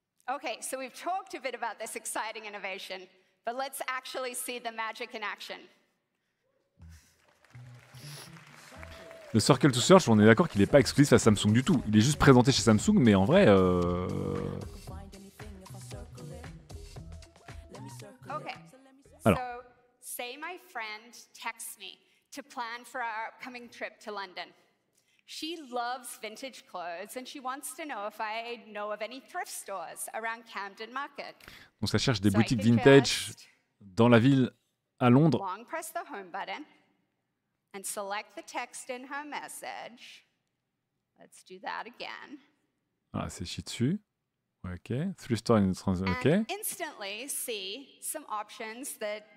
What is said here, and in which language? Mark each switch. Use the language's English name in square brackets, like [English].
[English] Okay, so we've talked a bit about this exciting innovation, but let's actually see the magic in action. [French] Le Circle to Search, on est d'accord qu'il n'est pas exclusif à Samsung du tout. Il est juste présenté chez Samsung, mais en vrai... Alors. [English] So, say my friend texts me to plan for our upcoming trip to London. She loves vintage clothes and she wants to know if I know of any thrift stores around Camden Market. [French] Donc ça cherche des boutiques vintage dans la ville à Londres. [English] Long press the home button and select the text in her message. Let's do that again. [French] Ah, c'est chi dessus. OK. [English] Thrift store in the trans- [French] OK. [English] And instantly see some options that